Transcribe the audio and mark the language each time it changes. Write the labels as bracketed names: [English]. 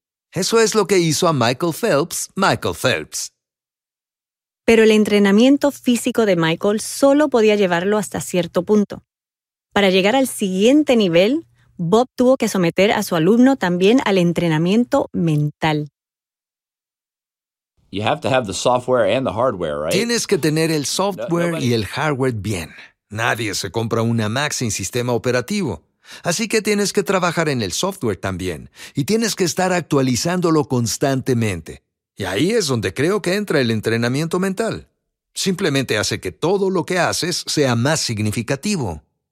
[Spanish] Eso es lo que hizo a Michael Phelps, Michael Phelps. Pero el entrenamiento físico de Michael solo podía llevarlo hasta cierto punto. Para llegar al siguiente nivel, Bob tuvo que someter a su alumno también al entrenamiento mental. [English] You have to have the software and the hardware, right? [Spanish] Tienes que tener el software y el hardware bien. Nadie se compra una Mac sin sistema operativo. Así que tienes que trabajar en el software también. Y tienes que estar actualizándolo constantemente. Y ahí es donde creo que entra el entrenamiento mental. Simplemente hace que todo lo que haces sea más significativo.